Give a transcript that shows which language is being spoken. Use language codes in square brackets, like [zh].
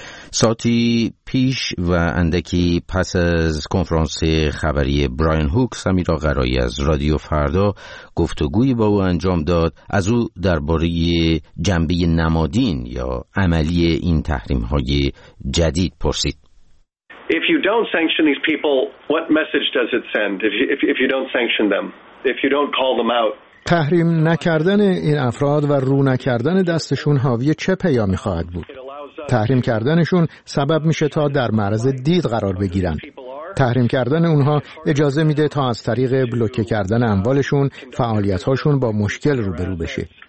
[fa] ساعتی پیش و اندکی پس از کنفرانس خبری براین هوک، سمیرا قرایی از رادیو فردا گفتگوی با او انجام داد. از او درباره جنبه نمادین یا عملی این تحریم های جدید پرسید. [en] If you don't sanction these people, what message does it send? If you don't sanction them, if you don't call them out. [fa] تحریم نکردن این افراد و رو نکردن دستشون حاوی چه پیامی خواهد بود؟ تحریم کردنشون سبب میشه تا در معرض دید قرار بگیرن. تحریم کردن اونها اجازه میده تا از طریق بلوکه کردن اموالشون فعالیت‌هاشون با مشکل روبرو بشه.